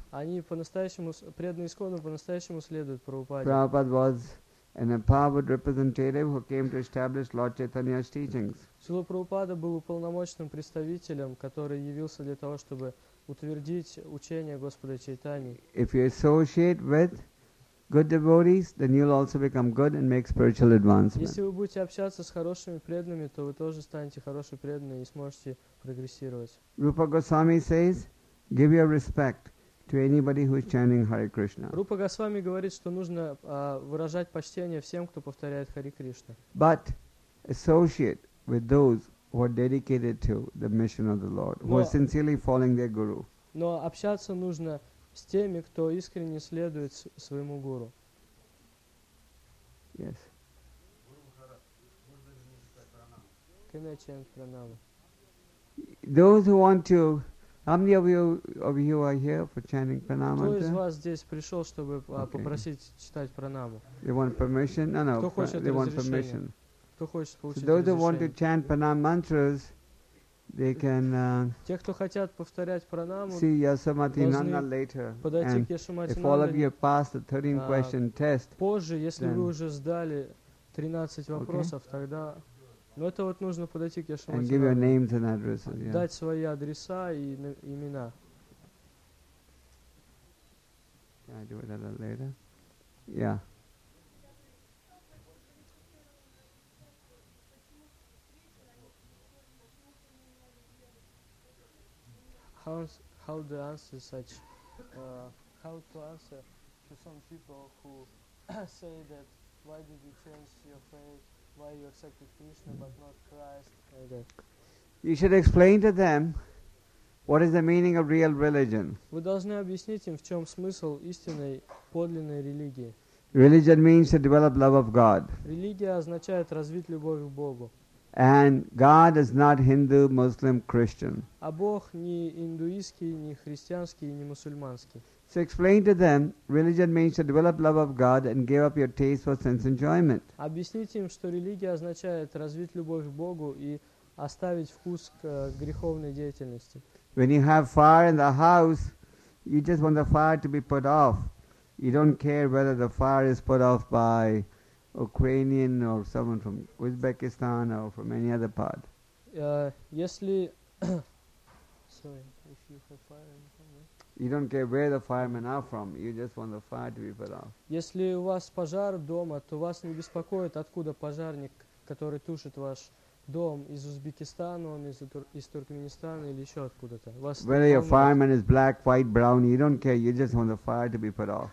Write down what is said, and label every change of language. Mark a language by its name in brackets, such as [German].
[Russian] Они по-настоящему преданные ИСККОНу по-настоящему следуют Прабхупаде. [English] Prabhupada was an empowered representative who came to establish Lord Chaitanya's teachings. [Russian] Шрила Прабхупада был уполномоченным представителем, который явился для того, чтобы утвердить учение Господа Чайтани. [English] If you associate with good devotees, then you'll also become good and make spiritual advancement. [Russian] Если вы будете общаться с хорошими преданными, то вы тоже станете хорошими преданными и сможете прогрессировать. [English] Rupa Goswami says, give your respect to anybody who is chanting Hare Krishna. [Russian] Rupa Goswami говорит, что нужно выражать почтение всем, кто повторяет Hare Krishna. [English] But associate with those who are dedicated to the mission of the Lord, who are sincerely following their guru. [Russian] Но общаться нужно с теми, кто искренне следует своему гуру. [English] Yes. Can I chant pranama? Those who want to, how many of you are here for chanting pranama? [Russian] Кто из вас здесь пришел, чтобы попросить читать пранаму? [English] You want permission? No, no. [Russian] Кто хочет разрешения? Кто хочет получить разрешение? [English] Those who want to chant pranam mantras, they can. [Russian] Те, кто хотят повторять пранаму, [English] see Yasomati Nanda later. And if all of you passed the 13-question test, [Russian] позже, если вы уже сдали 13 вопросов, тогда. Но это вот нужно подойти к Яшамати. [English] And give your names and addresses. Yeah. [Russian] Дать свои адреса и имена. [English] Can I do it a little later? Yeah. How to answer such how to answer to some people who say that why did you change your faith, why you accepted Krishna but not Christ? You should explain to them what is the meaning of real religion. [Russian] Вы должны объяснить им, в чем смысл истинной подлинной религии. [English] Religion means to develop love of God. [Russian] Религия означает развить любовь к Богу. [English] And God is not Hindu, Muslim, Christian. [Russian] А Бог не индуистский, не христианский, не мусульманский. [English] So explain to them, religion means to develop love of God and give up your taste for sense enjoyment. [Russian] Объясните им, что религия означает развить любовь к Богу и оставить вкус к греховной деятельности. [English] When you have fire in the house, you just want the fire to be put off. You don't care whether the fire is put off by Ukrainian or someone from Uzbekistan or from any other part. [Russian] Если [English] sorry, if you have fire in the house. You don't care where the firemen are from, you just want the fire to be put off. [Russian] Если у вас пожар дома, то вас не беспокоит, откуда пожарник, который тушит ваш дом из Узбекистана, он из Туркменистана или еще откуда-то. [English] Whether your fireman is black, white, brown, you don't care, you just want the fire to be put off.